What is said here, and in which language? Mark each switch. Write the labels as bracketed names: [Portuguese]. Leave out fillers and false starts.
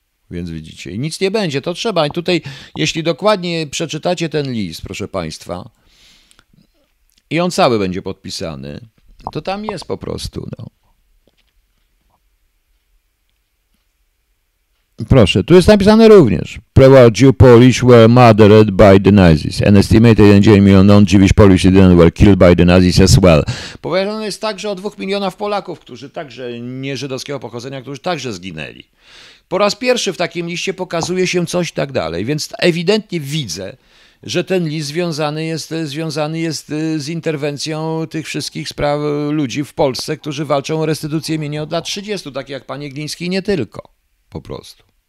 [Polish] Więc widzicie. I nic nie będzie, to trzeba. I tutaj, jeśli dokładnie przeczytacie ten list, proszę państwa, i on cały będzie podpisany, to tam jest po prostu. No. Proszę, tu jest napisane również. [English] Prevailed Jew Polish were murdered by the Nazis. An estimated 9 million non-Jewish Polish citizens were killed by the Nazis as well. [Polish] Powiedziane jest także o 2 milionach Polaków, którzy także nie żydowskiego pochodzenia, którzy także zginęli. Po raz pierwszy w takim liście pokazuje się coś i tak dalej, więc ewidentnie widzę, że ten list związany jest z interwencją tych wszystkich spraw ludzi w Polsce, którzy walczą o restytucję mienia od lat 30, takie jak panie Gliński i nie tylko. Po prostu.